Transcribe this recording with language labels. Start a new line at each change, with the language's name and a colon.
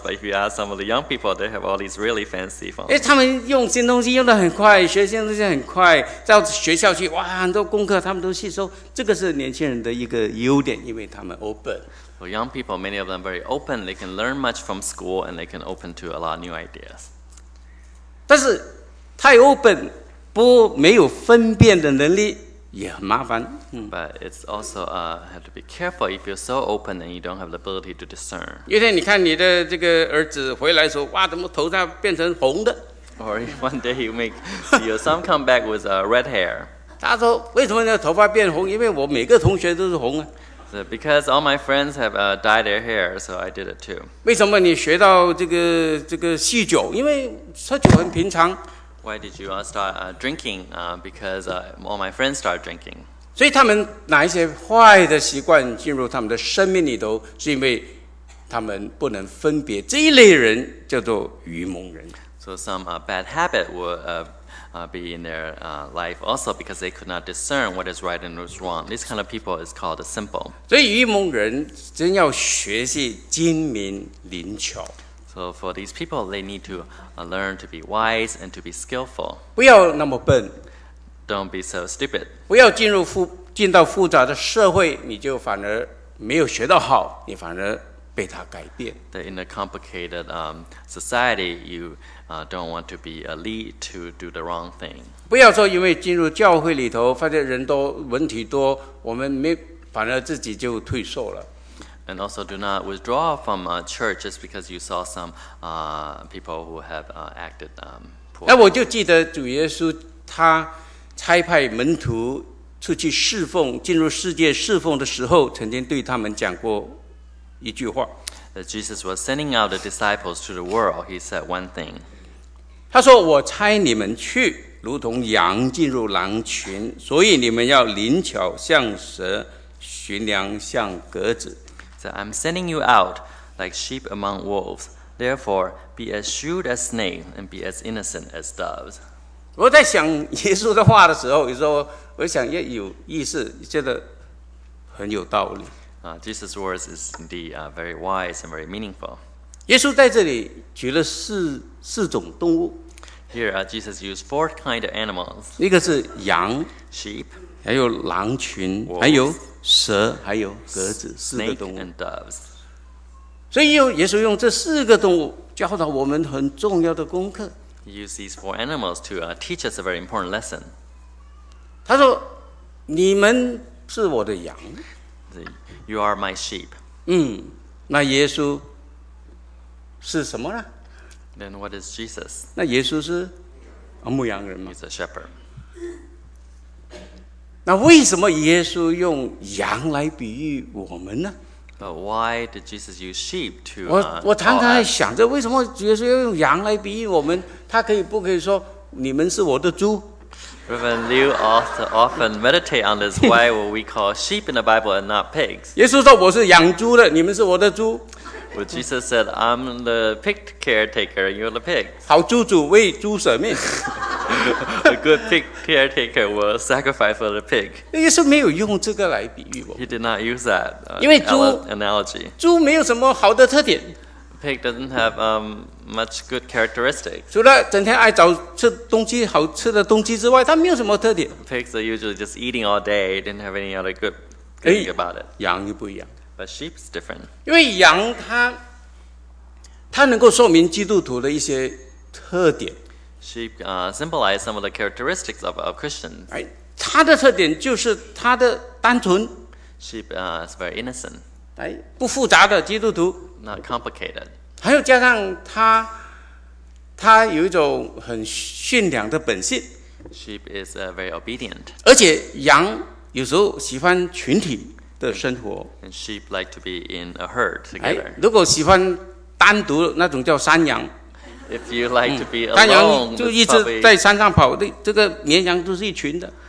English: But if you ask some of the young people, they have all these really fancy phones.
Chinese: 他们用新东西用得很快，学新东西很快，到学校去，哇，很多功课他们都吸收。这个是年轻人的一个优点，因为他们 open.
English: For young people, many of them are very open. They can learn much from school and they can open to a lot of new ideas.
Chinese: 但是太 open, 不没有分辨的能力。也很麻烦。
English: But it's also have to be careful if you're so open and you don't have the ability to discern.
Chinese: 有一天你看你的这个儿子回来说，哇，怎么头上变成红的？
English: Or one day you make your son come back with red hair.
Chinese: 他说，为什么你的头发变红？因为我每个同学都是红啊。
English: So because all my friends have dyed their hair, so I did it too.
Chinese: 为什么你学到这个酗酒？因为喝酒很平常。
English: Why did you start drinking? Because all my friends started drinking.
Chinese: 所以他们哪一些坏的习惯进入他们的生命里头，是因为他们不能分别。这一类人叫做愚蒙人。
English: So some bad habit would be in their life also because they could not discern what is right and what is wrong. This kind of people is called a simple.
Chinese: 所以愚蒙人真要学习精明灵巧。
English: So for these people, they need to learn to be wise and to be skillful.
Chinese: 不要那么笨。
English: Don't be so stupid.
Chinese: 不要进到复杂的社会，你就反而没有学到好，你反而被它改变。
English: That in a complicated society, you don't want to be a lead to do the wrong thing.
Chinese: 不要说因为进入教会里头，发现人多，问题多，我们没反而自己就退缩了。
English: And also do not withdraw from a church just because you saw some people who have acted poorly.
Chinese: 那我就记得主耶稣他差派门徒出去侍奉，进入世界侍奉的时候，曾经对他们讲过一句话。
English: That Jesus was sending out the disciples to the world, he said one thing.
Chinese: 他说，我差你们去，如同羊进入狼群，所以你们要灵巧像蛇，驯良像鸽子。
English: So I'm sending you out like sheep among wolves. Therefore, be as shrewd as snakes and be as innocent as doves.
Chinese: 我在想耶稣的话的时候，有时候我想也有意思，觉得很有道理。
English: Jesus' words is indeed very wise and very meaningful.
Chinese: 耶稣在这里举了四种动物。
English: Here, Jesus used four kinds of animals.
Chinese: 一个是羊
English: sheep,
Chinese: 还有狼群
English: wolves,
Chinese: 还有蛇还有鸽子，四个动物。
English: Snake and doves.
Chinese: 所以耶稣用这四个动物教导我们很重要的功课。
English: He used these four animals to teach us a very important lesson.
Chinese: 他说：“你们是我的羊。”
English: You are my sheep.
Chinese: 那耶稣是什么呢？
English: Then what is Jesus?
Chinese: 那耶稣是牧羊人吗？
English: He's a shepherd.
Chinese: 那为什么耶稣用羊来比喻我们呢？
English: But why did Jesus use sheep to?
Chinese: 我常常在想着，为什么耶稣要用羊来比喻我们？他可以不可以说你们是我的猪
English: ？Reverend Liu often meditate on this. Why would we call sheep in the Bible and not pigs?
Chinese: 耶稣说我是养猪的，你们是我的猪。
English: Well, Jesus said, "I'm the pig caretaker. You're the pig."
Chinese: 好猪主为猪舍命。
English: A good pig caretaker will sacrifice for the pig.
Chinese: 耶稣没有用这个来比喻我。
English: He did not use that.
Chinese: 因为猪
English: analogy.
Chinese: 猪没有什么好的特点。
English: Pig doesn't have much good characteristics.
Chinese: 除了整天爱找吃东西好吃的东西之外，它没有什么特点。
English: Pigs are usually just eating all day. Didn't have any other good thing about it.
Chinese: 羊又不一样。
English: But sheep is different.
Chinese: 因为羊它能够说明基督徒的一些特点。
English: Sheep symbolize some of the characteristics of Christians.
Chinese: 它的特点就是它的单纯。
English: Sheep is very innocent.
Chinese: 不复杂的基督徒。
English: Not complicated.
Chinese: 还有加上它有一种很驯良的本性。
English: Sheep is very obedient.
Chinese: 而且羊有时候喜欢群体。的生活
English: and sheep like to be in a herd together.
Chinese: 如果喜欢单独那种叫山羊
English: if you like to be alone, 山羊
Chinese: 就一直在山上跑这个绵羊都是一群的